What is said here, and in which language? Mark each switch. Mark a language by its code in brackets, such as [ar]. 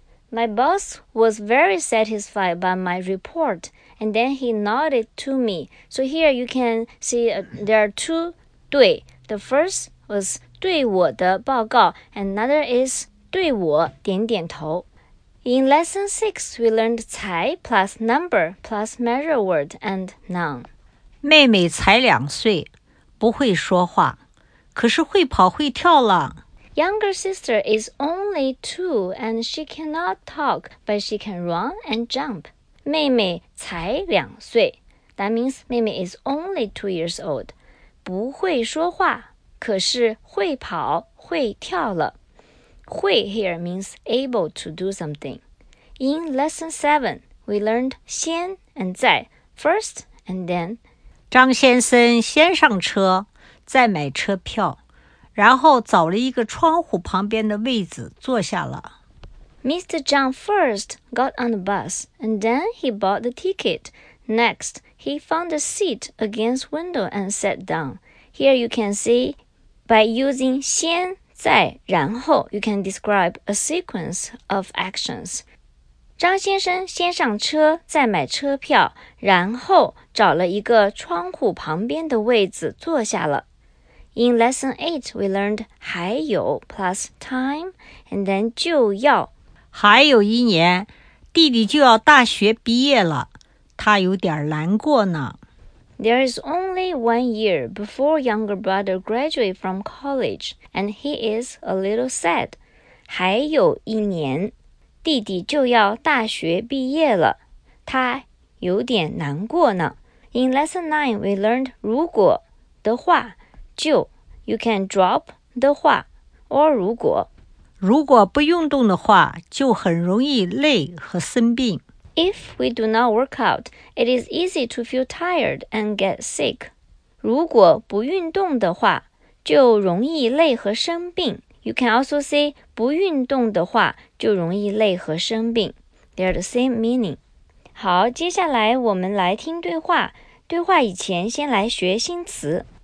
[en] My boss was very satisfied by my report, and then he nodded to me. So here you can see there are two 对. The first was [zh] 对我的报告, [en] and another is [zh] 对我点点头. [en] In lesson 6, we learned 才 plus number plus measure word and noun. [zh] 妹妹才两岁，不会说话。可是会跑会跳了。 [en] Younger sister is only 2 and she cannot talk, but she can run and jump. [zh] 妹妹才两岁。 [en] That means 妹妹 is only 2 years old. [zh] 不会说话，可是会跑会跳了。 [en] 会 here means able to do something. In lesson 7, we learned 先 and 在 first and then. [zh] 张先生先上车。再买车票，然后找了一个窗户旁边的位置坐下了。 [en] Mr. John first got on the bus, and then he bought the ticket. Next, he found a seat against window and sat down. Here you can see, by using 先、在、然后, you can describe a sequence of actions. [zh] 张先生先上车，再买车票，然后找了一个窗户旁边的位置坐下了。 [en] In lesson 8, we learned 还有 plus time, and then 就要。 [zh] 还有一年，弟弟就要大学毕业了，他有点难过呢。 [en] There is only 1 year before younger brother graduate from college, and he is a little sad. [zh] 还有一年，弟弟就要大学毕业了，他有点难过呢。 [en] In lesson 9, we learned 如果的话。就 you can drop 的话 or 如果。 [zh] 如果不运动的话就很容易累和生病。 [en] If we do not work out, it is easy to feel tired and get sick. [zh] 如果不运动的话，就容易累和生病。 [en] You can also say, [zh] 不运动的话，就容易累和生病。 [en] They are the same meaning. [zh] 好，接下来我们来听对话。对话以前先来学新词。